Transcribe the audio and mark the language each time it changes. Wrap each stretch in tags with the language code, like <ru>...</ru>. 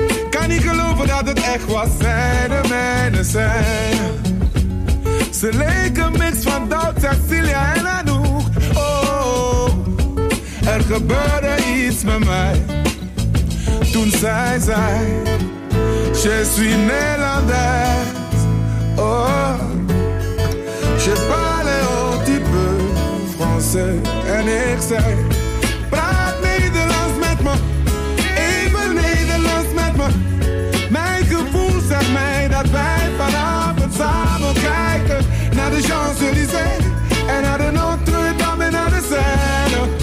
<nl>Kan niet geloven dat het echt was. Zij de mijne zijn. Ze leken een mix van Duits, Cecilia en Anouk. Oh, oh, er gebeurde iets met mij. Toen zij zei,</nl> <fr>je suis</fr> <nl>Nederlander.</nl> <fr>Oh, je parle un petit peu français.</fr> <nl>En ik zei, praat Nederlands met me. Even Nederlands met me. Mijn gevoel zegt mij dat wij vanavond samen kijken. Naar de Champs-Élysées en naar de Notre-Dame en naar de Seine.</nl>